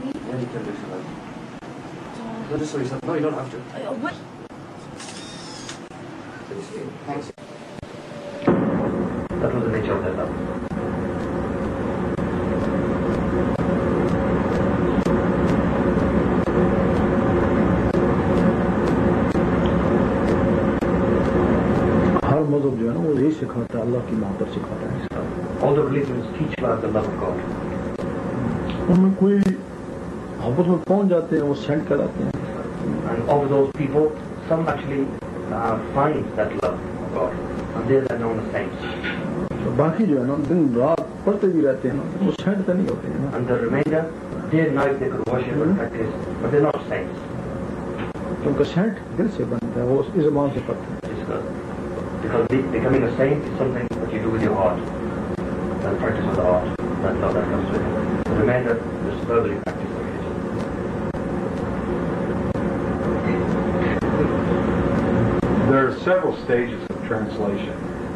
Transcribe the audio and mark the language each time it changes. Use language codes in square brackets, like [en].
[ur] ہر مذہب جو ہے نا وہ یہی سکھاتا ہے اللہ کی محبت سکھاتا ہے ان میں کوئی محبت میں پہنچ جاتے ہیں وہ سینڈ کراتے ہیں [en] And of those people, some actually find that love of God. And they are known as saints. [ur] باقی جو ہے نا دن رات پڑھتے بھی رہتے ہیں وہ سینٹ تو نہیں ہوتے ہیں [en] And the remainder, day and night they could worship and practice, but they're not saints. [ur] کیونکہ سینٹ دل سے بنتا ہے وہ اس زبان سے پڑھتے ہیں [en] Because becoming a saint is something that you do with your heart. That practice of the heart, that love that comes with it. The remainder, just verbally practice. There are several stages of translation.